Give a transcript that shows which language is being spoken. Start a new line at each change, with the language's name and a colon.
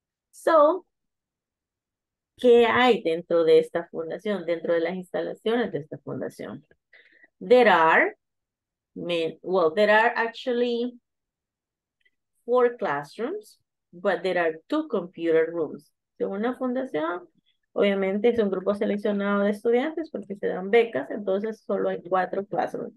Spanish: So, ¿qué hay dentro de esta fundación, dentro de las instalaciones de esta fundación?
English: There are actually four classrooms, but there are two computer rooms.
Spanish: Según la fundación, obviamente es un grupo seleccionado de estudiantes porque se dan becas, entonces solo hay cuatro classrooms.